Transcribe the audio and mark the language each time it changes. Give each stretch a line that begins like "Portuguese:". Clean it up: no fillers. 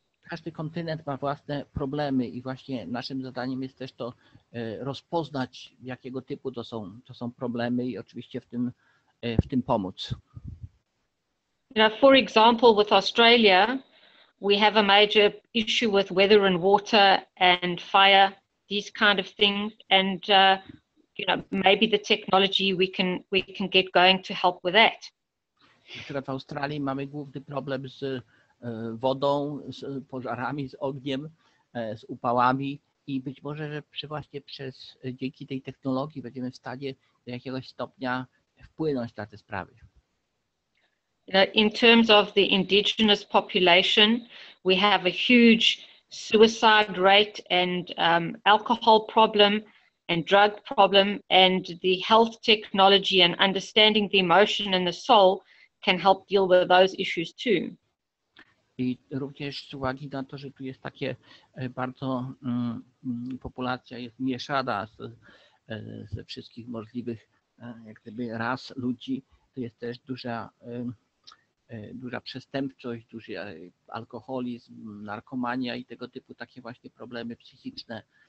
Polish: Każdy kontynent ma własne problemy i właśnie naszym zadaniem jest też to rozpoznać, jakiego typu to są problemy i oczywiście w tym pomóc.
English: For example, with Australia, we have a major issue with weather and water and fire, these kind of things, and maybe the technology we can get going to help with that.
Polish: W Australii mamy główny problem z wodą, z pożarami, z ogniem, z upałami i być może, że właśnie przez dzięki tej technologii będziemy w stanie do jakiegoś stopnia wpłynąć na te sprawy.
English: In terms of the indigenous population, we have a huge suicide rate and alcohol problem and drug problem, and the health technology and understanding the emotion and the soul can help deal with those issues too.
Polish: I również z uwagi na to, że tu jest takie bardzo populacja jest mieszana ze wszystkich możliwych jak gdyby ras ludzi, to jest też duża przestępczość, duży alkoholizm, narkomania i tego typu takie właśnie problemy psychiczne.